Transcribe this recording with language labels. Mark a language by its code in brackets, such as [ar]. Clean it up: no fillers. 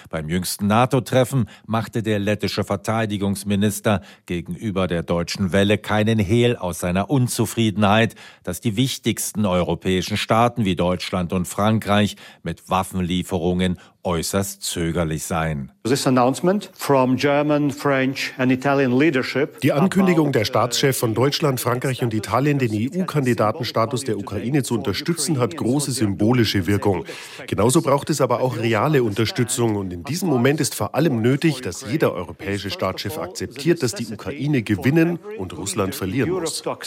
[de] Beim jüngsten NATO-Treffen machte der lettische Verteidigungsminister gegenüber der Deutschen Welle keinen Hehl aus seiner Unzufriedenheit, dass die wichtigsten europäischen Staaten wie Deutschland und Frankreich mit Waffenlieferungen äußerst zögerlich seien. [en] This announcement from German, French and Italian leadership. [de] Die Ankündigung der Staatschef von Deutschland, Frankreich und Italien, den EU-Kandidatenstatus der Ukraine zu unterstützen, hat große symbolische Wirkung. Genauso braucht es aber auch reale Unterstützung. Und in diesem Moment ist vor allem nötig, dass jeder europäische Staatschef akzeptiert, dass die Ukraine gewinnen und Russland verlieren muss.